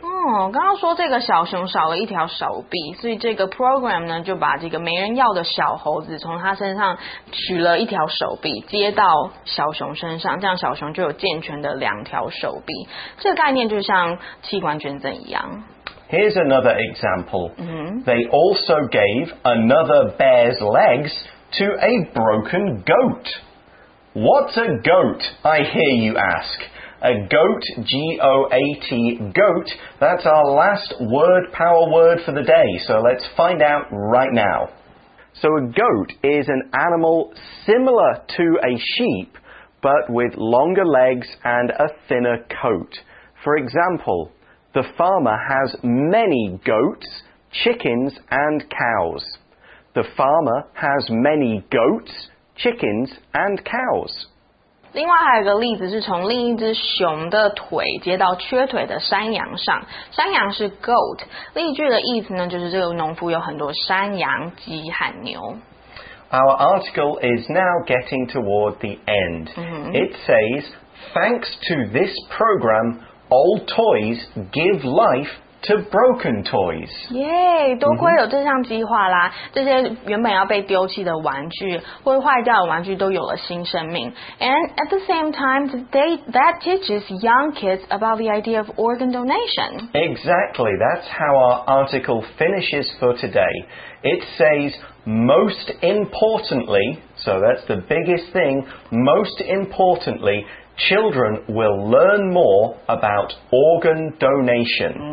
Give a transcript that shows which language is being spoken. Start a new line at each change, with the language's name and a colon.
Chinese: Oh, 刚刚说这个小熊少了一条手臂，所以这个 program 呢就把这个没人要的小猴子从他身上取了一条手臂接到小熊身上，这样小熊就有健全的两条手臂。这个概念就像器官捐赠一样。
English: Here's another example. Mm-hmm. They also gave another bear's legs to a broken goat. What's a goat, I hear you ask? A goat, G-O-A-T, goat, that's our last word power word for the day, so let's find out right now. So a goat is an animal similar to a sheep, but with longer legs and a thinner coat. For example, the farmer has many goats, chickens, and cows. The farmer has many goats,Chickens and cows.
Chinese: 另外还有一个例子是从另一只熊的腿接到缺腿的山羊上，山羊是 goat。例句的意思呢，就是这个农夫有很多山羊、鸡和牛。
English: Our article is now getting toward the end. It says, thanks to this program, old toys give lifeTo broken toys.
Chinese: Yay, 多亏有这项计划啦，这些原本要被丢弃的玩具或坏掉的玩具都有了新生命。
English: And at the same time, that teaches young kids about the idea of organ donation. Exactly, that's how our article finishes for today. It says, most importantly, so that's the biggest thing, most importantly,Children will learn more about organ donation.